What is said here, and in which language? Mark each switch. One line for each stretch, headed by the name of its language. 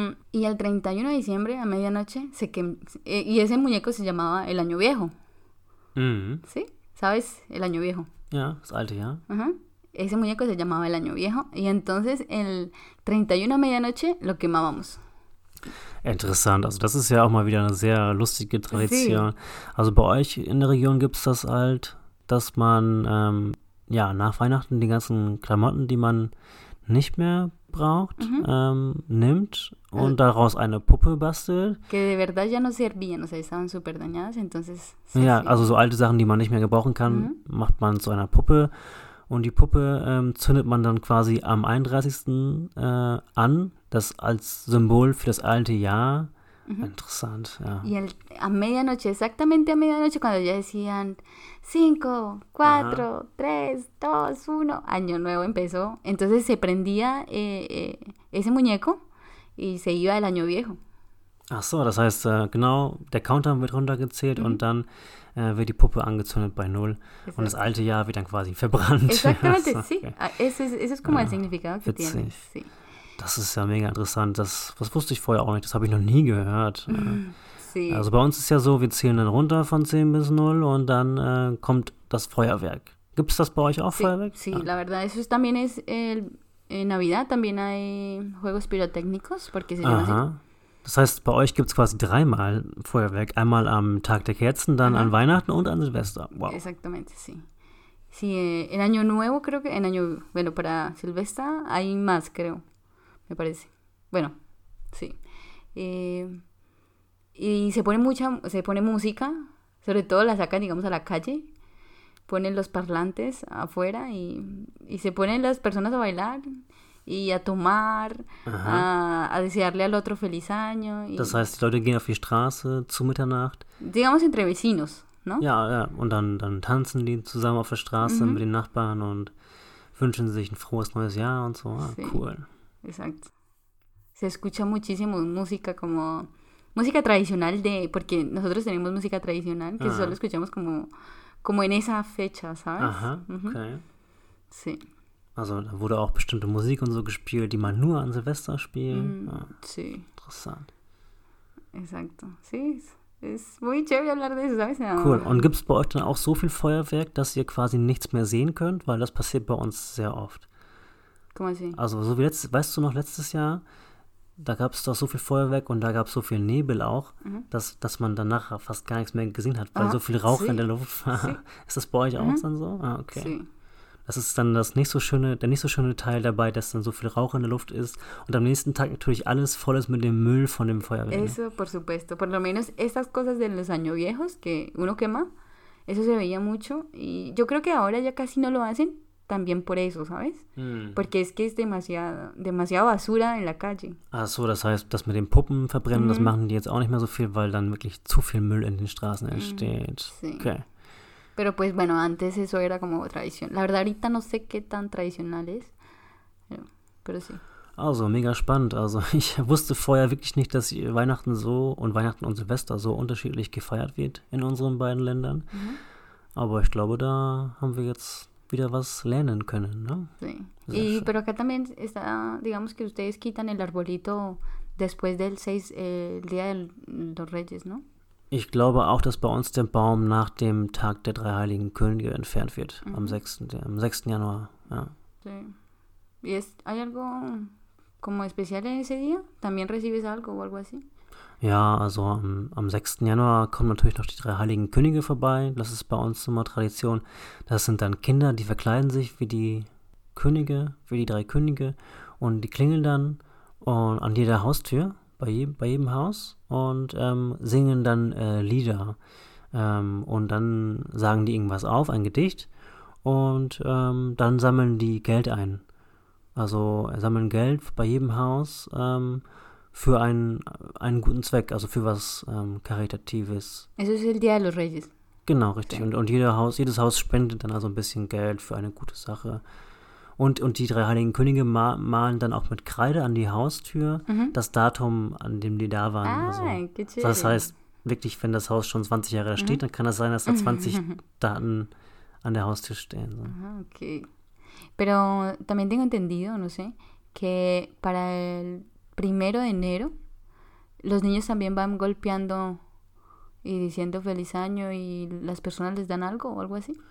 Spanish: Y el 31 de diciembre a medianoche se y ese muñeco se llamaba el año viejo. Mm-hmm. ¿Sí? ¿Sabes? El año viejo. Ya, es alto ya. Ese muñeco se llamaba el año viejo y entonces el 31 a medianoche lo quemábamos.
German: Interessant, also das ist ja auch mal wieder eine sehr lustige Tradition.
Spanish: Sí.
German: Also bei euch in der Region gibt es das halt, dass man ja, nach Weihnachten die ganzen Klamotten, die man nicht mehr braucht, nimmt und daraus eine Puppe bastelt.
Spanish: Que de verdad ya no servían, o sea, estaban super dañadas, entonces...
German: Ja, also so alte Sachen, die man nicht mehr gebrauchen kann, macht man zu einer Puppe. Und die Puppe zündet man dann quasi am 31. An, das als Symbol für das alte Jahr. Interessant, ja.
Spanish: Y el, a medianoche, exactamente a medianoche, cuando ya decían 5, 4, 3, 2, 1, año nuevo empezó. Entonces se prendía ese muñeco y se iba el año viejo.
German: Ach so, das heißt, genau, der Countdown wird runtergezählt und dann wird die Puppe angezündet bei 0 und das alte Jahr wird dann quasi verbrannt.
Spanish: Exactamente, sí. Eso es como el significado que tiene.
German: Witzig.
Spanish: Sí.
German: Das ist ja mega interessant. Das wusste ich vorher auch nicht. Das habe ich noch nie gehört.
Spanish: Sí.
German: Also bei uns ist ja so, wir zählen dann runter von 10 bis 0 und dann kommt das Feuerwerk. Gibt es das bei euch auch,
Spanish: sí,
German: Feuerwerk?
Spanish: Sí,
German: ja.
Spanish: La verdad, eso es también es en Navidad también hay juegos pirotécnicos, porque se llama así.
German: Das heißt, bei euch gibt es quasi dreimal Feuerwerk. Einmal am Tag der Kerzen, dann an Weihnachten und an Silvester. Wow.
Spanish: Exactamente, sí. Sí, el año nuevo creo que, el año, bueno, para Silvester hay más, creo. Me parece. Bueno, sí. Y se pone música, sobre todo la sacan, digamos, a la calle, ponen los parlantes afuera y se ponen las personas a bailar y a tomar, a desearle al otro feliz año. Y,
German: das heißt, die Leute gehen auf die Straße zu Mitternacht.
Spanish: Digamos, entre vecinos, ¿no?
German: Ja, ja. Und dann tanzen die zusammen auf der Straße mit den Nachbarn und wünschen sich ein frohes neues Jahr und so.
Spanish: Ah, sí. Cool. Exacto. Se escucha muchísimo música como música tradicional de, porque nosotros tenemos música tradicional que solo escuchamos como en esa fecha, ¿sabes? Ajá, okay. Sí.
German: Also, da wurde auch bestimmte Musik und so gespielt, die man nur an Silvester spielt.
Spanish: Sí.
German: Interessant.
Spanish: Exacto. Sí. Es muy chévere hablar de eso, ¿sabes?
English: Cool.
German: Und gibt es bei euch dann auch so viel Feuerwerk, dass ihr quasi nichts mehr sehen könnt? Weil das passiert bei uns sehr oft. Also so wie letztes Jahr, da gab es doch so viel Feuerwerk und da gab es so viel Nebel auch, dass man danach fast gar nichts mehr gesehen hat, weil so viel Rauch in der Luft war. Ist das bei euch auch dann so? Ah, okay. Das ist dann der nicht so schöne Teil dabei, dass dann so viel Rauch in der Luft ist und am nächsten Tag natürlich alles voll ist mit dem Müll von dem Feuerwerk.
Spanish: Eso, por supuesto. Por lo menos esas cosas de los años viejos que uno quema, eso se veía mucho y yo creo que ahora ya casi no lo hacen. También por eso, ¿sabes? Porque es que es demasiado basura en la calle.
German: Ach so, das heißt, das mit den Puppen verbrennen, das machen die jetzt auch nicht mehr so viel, weil dann wirklich zu viel Müll in den Straßen entsteht.
Spanish: Sí. Okay. Pero pues bueno, antes eso era como tradición. La verdad, ahorita no sé qué tan tradicional es. Pero sí.
German: Also, mega spannend. Also, ich wusste vorher wirklich nicht, dass Weihnachten so und Weihnachten und Silvester so unterschiedlich gefeiert wird in unseren beiden Ländern. Aber ich glaube, da haben wir jetzt wieder was lernen können, ne?
Spanish: Sí. Y, pero acá también está, digamos que ustedes quitan el arbolito después del 6, el Día de los Reyes, ¿no?
German: Ich glaube auch, dass bei uns der Baum nach dem Tag der drei heiligen Könige entfernt wird, am 6. Januar, ja.
Spanish: Sí. ¿Y hay algo como especial en ese día? ¿También recibes algo o algo así?
German: Ja, also am 6. Januar kommen natürlich noch die drei heiligen Könige vorbei. Das ist bei uns immer Tradition. Das sind dann Kinder, die verkleiden sich wie die Könige, wie die drei Könige. Und die klingeln dann an jeder Haustür, bei jedem Haus und singen dann Lieder. Und dann sagen die irgendwas auf, ein Gedicht. Und dann sammeln die Geld ein. Also sammeln Geld bei jedem Haus. Für einen guten Zweck, also für was Karitatives.
Spanish: Eso es el Día de los Reyes.
German: Genau, richtig.
Spanish: Sí.
German: Und jedes Haus spendet dann also ein bisschen Geld für eine gute Sache. Und die drei heiligen Könige malen dann auch mit Kreide an die Haustür das Datum, an dem die da waren. Ah, also,
Spanish: qué chévere.
German: Das heißt, wirklich, wenn das Haus schon 20 Jahre da steht, dann kann es das sein, dass da 20 Daten an der Haustür stehen. So. Ah, okay.
Spanish: Pero también tengo entendido, no sé, que para el primero de enero, los niños también van golpeando y diciendo feliz año y las personas les dan algo o algo así.